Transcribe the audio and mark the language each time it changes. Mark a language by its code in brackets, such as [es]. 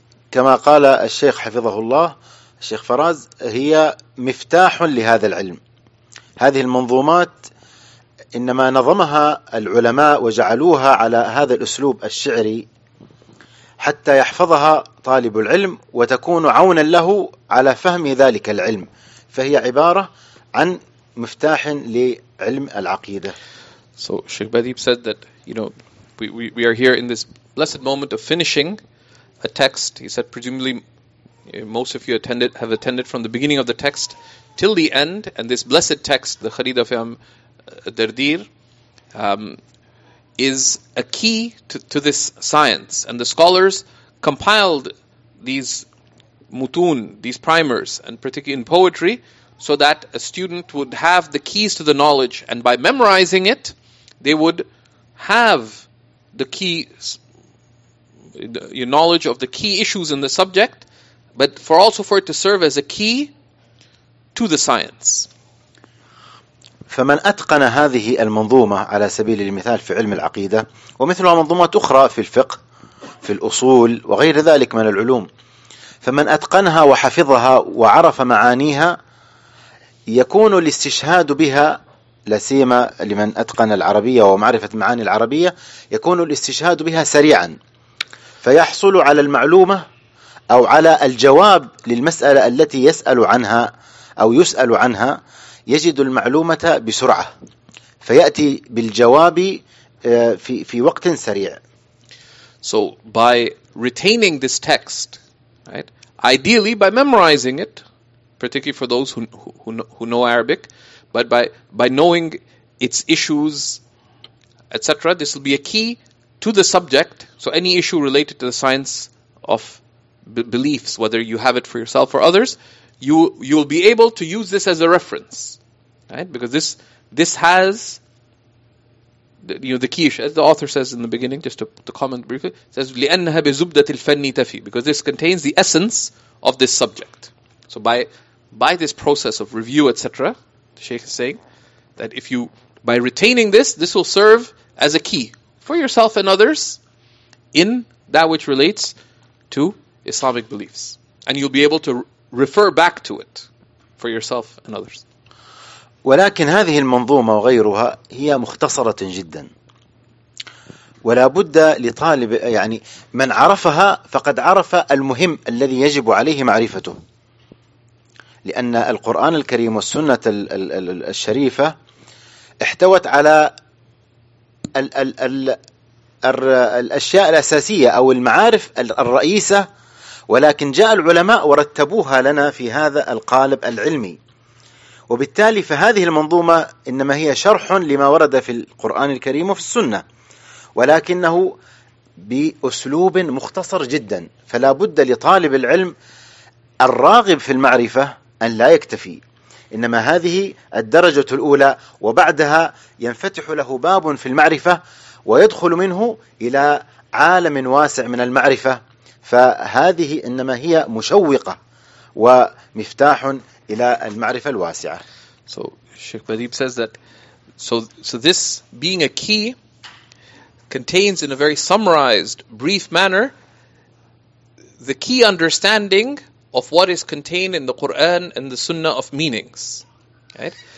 [ar] كما قال الشيخ حفظه الله الشيخ فراز هي مفتاح لهذا العلم هذه المنظومات إنما نظمها العلماء وجعلوها على هذا الأسلوب الشعري حتى يحفظها طالب العلم وتكون عونا له على فهم ذلك العلم فهي عبارة عن مفتاح لعلم العقيدة. [en] So Sheikh Badib said that, you know, we are here in this blessed moment of finishing a text. He said, presumably most of you have attended from the beginning of the text till the end, and this blessed text, the Kharida Fiham Dardir, is a key to this science. And the scholars compiled these mutun, these primers, and particularly in poetry, so that a student would have the keys to the knowledge, and by memorizing it, they would have the keys, your knowledge of the key issues in the subject, but for it to serve as a key to the science. [ar] فمن أتقن هذه المنظومة على سبيل المثال في علم العقيدة ومثلها منظومات أخرى في الفقه في الأصول وغير ذلك من العلوم فمن أتقنها وحفظها وعرف معانيها يكون الاستشهاد بها لسيما لمن أتقن العربية ومعرفة معاني العربية يكون الاستشهاد بها سريعا فيحصل على المعلومة أو على الجواب للمسألة التي يسأل عنها أو يسأل عنها يجد المعلومة بسرعة فيأتي بالجواب في وقت سريع. [en] So by retaining this text, right, ideally by memorizing it, particularly for those who know Arabic, but by knowing its issues, etc., this will be a key to the subject, so any issue related to the science of beliefs, whether you have it for yourself or others, you will be able to use this as a reference, right? Because this has the quiche, as the author says in the beginning, just to comment briefly, says [ar] لأنها بزبدة الفن تفي, [en] because this contains the essence of this subject. So by this process of review, etc., the Sheikh is saying that if you, by retaining this will serve as a key for yourself and others in that which relates to Islamic beliefs. And you'll be able to refer back to it for yourself and others. [ar] ولكن هذه المنظومة وغيرها هي مختصرة جدا. ولا بد لطالب يعني من عرفها فقد عرف المهم الذي يجب عليه معرفته. لأن القرآن الكريم والسنة الشريفة احتوت على الأشياء الأساسية أو المعارف الرئيسة، ولكن جاء العلماء ورتبوها لنا في هذا القالب العلمي، وبالتالي فهذه المنظومة إنما هي شرح لما ورد في القرآن الكريم وفي السنة، ولكنه بأسلوب مختصر جدا. فلا بد لطالب العلم الراغب في المعرفة أن لا يكتفي، إنما هذه الدرجة الأولى، وبعدها ينفتح له باب في المعرفة ويدخل منه إلى عالم واسع من المعرفة. فهذه إنما هي مشوقة ومفتاح إلى المعرفة الواسعة. [en] So Sheikh Badib says that so this being a key contains in a very summarized brief manner the key understanding of what is contained in the Qur'an and the Sunnah of meanings. Right?